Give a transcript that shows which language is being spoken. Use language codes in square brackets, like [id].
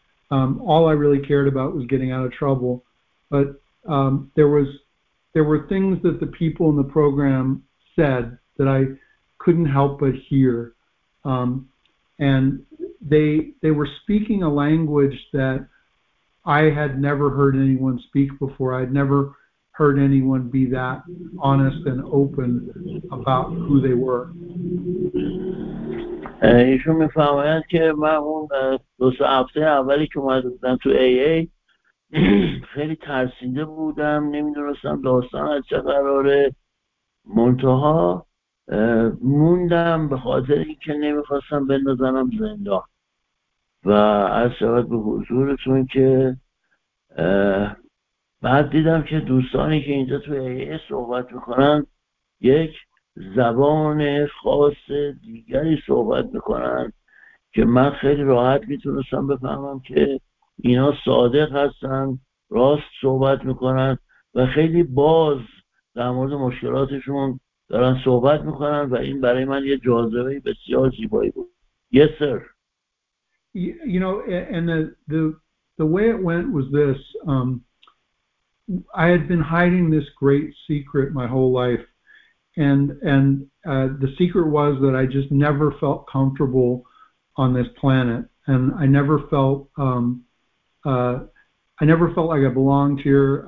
[en] All I really cared about was getting out of trouble. But there were things that the people in the program said that I couldn't help but hear, and they were speaking a language that I had never heard anyone speak before. I'd never heard anyone be that honest and open about who they were. [fa] ایشون میفهمید که من اون دو سه هفته اولی که اومدم تو AA خیلی ترسیده بودم، نمیدونستم داستان از چه قراره، منتها موندم به خاطر اینکه نمیخواستم بندازنم زندان، و از شبت به حضورتون که بعد دیدم که دوستانی که اینجا تو AA صحبت میکنن یک زبان خاص دیگری صحبت میکنن که من خیلی راحت میتونستم بفهمم که اینا صادق هستن، راست صحبت میکنن و خیلی باز در مورد مشکلاتشون دارن صحبت میکنن، و این برای من یه جاذبه بسیار زیبایی بود. [en] Yes, sir. You know, and the way it went was this. I had been hiding this great secret my whole life, and the secret was that I just never felt comfortable on this planet, and I never felt like I belonged here.